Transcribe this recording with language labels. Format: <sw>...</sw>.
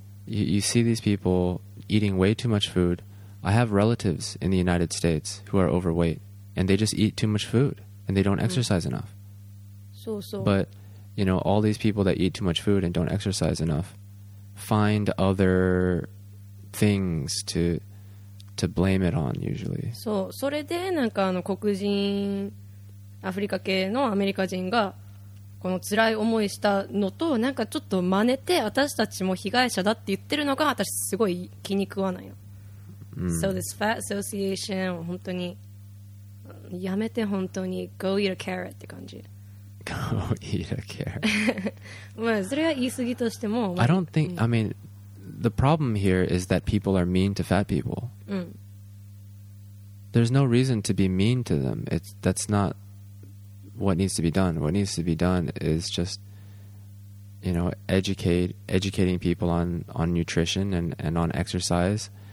<en>You see these people eating way too much foodI have relatives in the United States who are overweight, and they just eat too much food, and they don't exercise enough. So, so. But, you know, all these people that eat too much food and don't exercise enough find other things to blame it on, usually.</en> <ja>So, それでなんか黒人、アフリカ系のアメリカ人がこの辛い思いしたのと、なんかちょっと真似て私たちも被害者だって言ってるのが私すごい気に食わないの。 Mm.</ja> <en>So this fat association,</en> <ja>本当にやめて本当に</ja> <en>go eat a carrot</en> <ja>って感じ。</ja> <en>Go eat a carrot.</en> <ja>まあそれは言い過ぎとしても。</ja> <en>I don't think. I mean, the problem here is that people are mean to fat people. There's no reason to be mean to them. That's not what needs to be done. What needs to be done is just, you know, educating people on nutrition and on exercise.</en>